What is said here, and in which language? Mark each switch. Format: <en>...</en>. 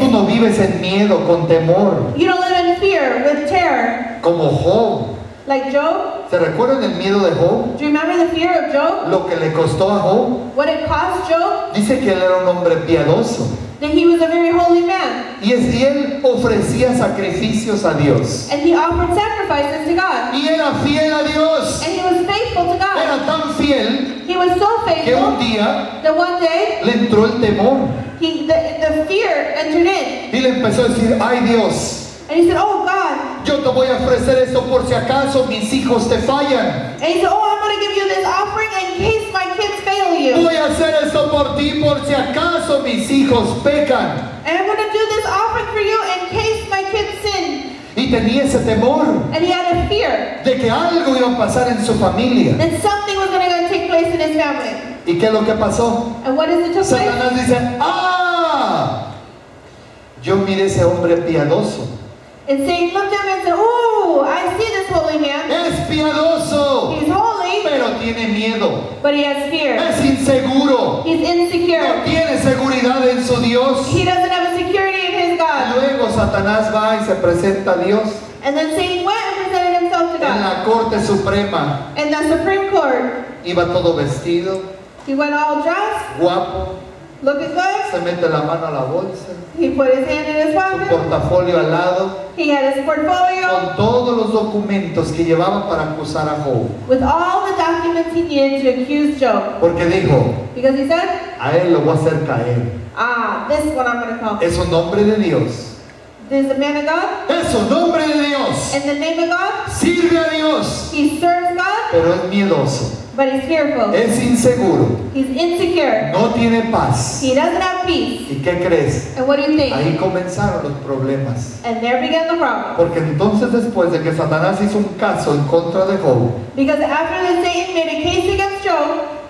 <es>Tú no vives en miedo, con temor.</es> <en>You don't live in fear, with terror.</en> <es>Como Job.</es> <en>Like Job.</en> <es>¿Se recuerdan el miedo de Job?</es> <en>Do you remember the fear of Job?</en> <es>Lo que le costó a Job.</es> <en>What it cost Job?</en> <es>Dice que él era un hombre piadoso.</es> <en>That he was a very holy man.</en> <es>Y él ofrecía sacrificios a Dios.</es> <en>And he offered sacrifices to God.</en> <es>Y era fiel a Dios.</es> <en>And he was faithful to God.</en> <es>Era tan fiel.</es> <en>He was so faithful.</en> <es>Que un día,</es> <en>that one day,</en> <es>le entró el temor.</es> <en>The fear entered in.</en> <es>Y le empezó a decir, ay Dios.</es> <en>And he said, oh God.</en> <es>Yo te voy a ofrecer esto por si acaso mis hijos te fallan.</es> <en>And he said, oh, I'm going to give you this offering in case my kids fail you.</en> <es>Voy a hacer esto por ti por si acaso mis hijos pecan.</es> <en>And I'm going to do this offering for you in case my kids sin.</en> <es>Y tenía ese temor.</es> <en>And he had a fear.</en> <es>De que algo iba a pasar en su familia.</es> <en>That something was going to take place in his family.</en> <es>¿Y qué es lo que pasó?</es> <en>And what is it took</en> <es>Satanás</es> <en>place?</en> <es>Dice, ah, yo miré ese hombre piadoso.</es> <en>And Satan looked at him and said, ooh, I see this holy man.</en> <es>Es piadoso.</es> <en>He's holy.</en> <es>Pero tiene miedo.</es> <en>But he has fear.</en> <es>Es inseguro.</es> <en>He's insecure.</en> <es>No tiene seguridad en su Dios.</es> <en>He doesn't have a security in his God.</en> <es>Luego Satanás va y se presenta a Dios.</es> <en>And then Satan went and presented himself to God.</en> <es>En la Corte Suprema.</es> <en>In the Supreme Court.</en> <es>Iba todo vestido.</es> <en>He went all dressed.</en> <es>Guapo.</es> <en>Looking good.</en> <es>Se mete la mano a la bolsa.</es> <en>He put his hand in his pocket.</en> <es>Su portafolio al lado.</es> <en>He had his portfolio.</en> <es>Con todos los documentos que llevaba para acusar a Job.</es> <en>With all the documents he needed to accuse Job.</en> <es>Porque dijo.</es> <en>Because he said.</en> <es>A él lo voy a hacer caer.</es> <en>Ah, this is what I'm going to call.</en> <es>Es un hombre de Dios.</es> <en>This is a man of God.</en> <es>Es un hombre de Dios.</es> <en>In the name of God.</en> <es>Sirve a Dios.</es> <en>He serves God.</en> <es>Pero es miedoso.</es> <en>But he's fearful.</en> <es>Es inseguro.</es> <en>He's insecure.</en> <es>No tiene paz.</es> <en>He doesn't have peace.</en> <es>¿Y qué crees?</es> <en>And what do you think?</en> <es>Ahí comenzaron los problemas.</es> <en>And there began the problem.</en> <es>Porque entonces después de que Satanás hizo un caso en contra de Job.</es> <en>Because after the Satan made a case against Job.</en>